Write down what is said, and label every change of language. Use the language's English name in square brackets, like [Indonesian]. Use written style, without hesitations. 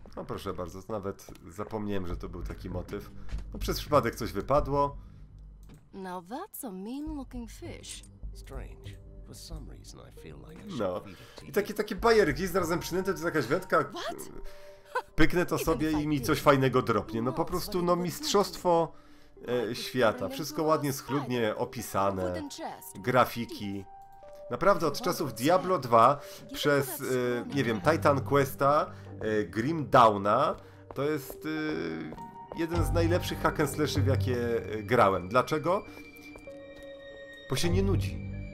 [Polish] No proszę bardzo, nawet zapomniałem, że to był taki motyw. No przez przypadek coś wypadło. [English] Now that's a mean looking fish. Strange. For some reason I feel like I should. [Polish] No. I takie bajer, gdzieś zarazem przynęte, to jest jakaś wędka. [English] What? [Polish] Pyknę to sobie i mi coś fajnego dropnie. No po prostu no mistrzostwo świata. Wszystko ładnie, schludnie opisane. Grafiki. Naprawdę od czasów Diablo 2 przez, nie wiem, Titan Questa, Grim Dawna, to jest jeden z najlepszych hack and slashy, w jakie grałem. Dlaczego? Bo się nie nudzi.